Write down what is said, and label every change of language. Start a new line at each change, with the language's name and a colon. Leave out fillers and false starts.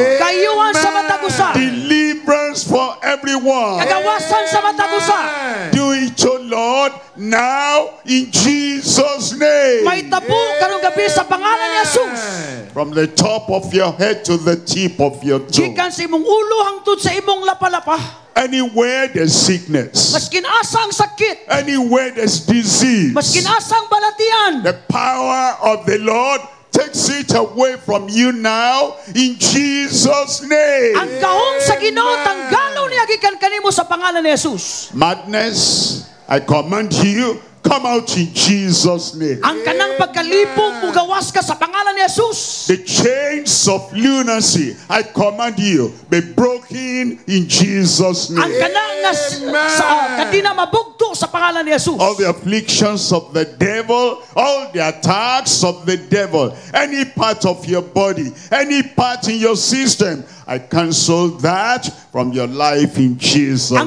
Cebuano: Kayuan sa matagusa.
English: Deliverance for everyone.
Cebuano: Kagawasan sa matagusa.
English: Do it, O Lord, now in Jesus' name.
Cebuano: Maitabo karong gabi sa pangalan ni Jesus.
English: From the top of your head to the tip of your toe.
Cebuano: Gikan sa imong ulo hangtod sa imong lapalapa.
English: Anywhere there's sickness.
Cebuano: Maskin asang sakit.
English: Anywhere there's disease.
Cebuano: Maskin asang balatian.
English: The power of the Lord takes it away from you now in Jesus' name.
Cebuano: Ang kahon sa Ginoo tanggalon niya gikan kanimo sa pangalan ni Jesus.
English: Madness, I command you, come out in Jesus' name.
Cebuano: Ang kanang pagkalipong mugawas ka sa pangalan ni Jesus.
English: The chains of lunacy, I command you, be broken in Jesus' name.
Cebuano: Ang kanang sa kadina mabugto sa pangalan ni Jesus.
English: All the afflictions of the devil, all the attacks of the devil, any part of your body, any part in your system, I cancel that from your life in Jesus' name.